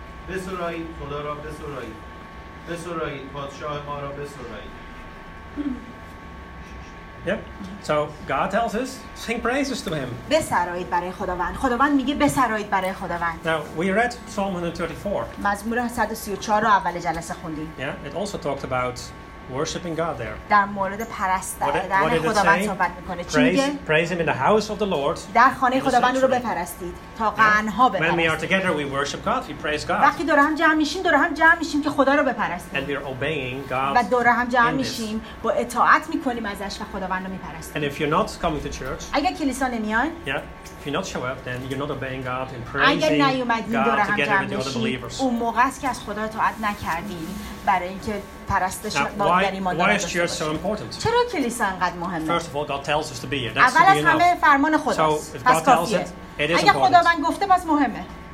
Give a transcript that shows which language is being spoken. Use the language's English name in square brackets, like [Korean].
[Persian] بسرایید خدا را بسرایید بسرایید پادشاه ما را بسرایید. [English] Yep. So God tells us sing praises to him. [Persian] بسرایید برای خداوند. خداوند میگه بسرایید برای خداوند. [English] Now we read Psalm 134. [Persian] مزمور 134 رو اول جلسه خوندیم. [English] Yeah, it also talked about worshiping God there. [Persian] در مورد پرستیدن خداوند صحبت میکنه. [English] Praise him in the house of the Lord. [Persian] در خانه خداوند رو بپرستید تا قرن‌ها بپرستید. [English] When we are together we worship God, we praise God. [Persian] وقتی دور هم جمع میشیم که خدا رو بپرستیم. [English] And we are obeying God. [Persian] و دور هم جمع میشیم با اطاعت میکنیم ازش و خداوند رو میپرستیم. [English] And if you're not coming to church? [Persian] اگه کلیسا نمیای؟ [English] Yeah. If you not show up then you're not obeying God in praising. [Persian] اگه نیومدین دور هم جمع میشیم. اون موقع است که از خدا اطاعت نکردین. برای اینکه پرستش ما در ایمان داشته باشیم. چرا کلیسا انقدر مهمه؟ [English] First of all, God tells us to be here. [Persian] اول از همه فرمان خداست. [English] So [Persian] پس کافیه. اگه خداوند گفته پس مهمه.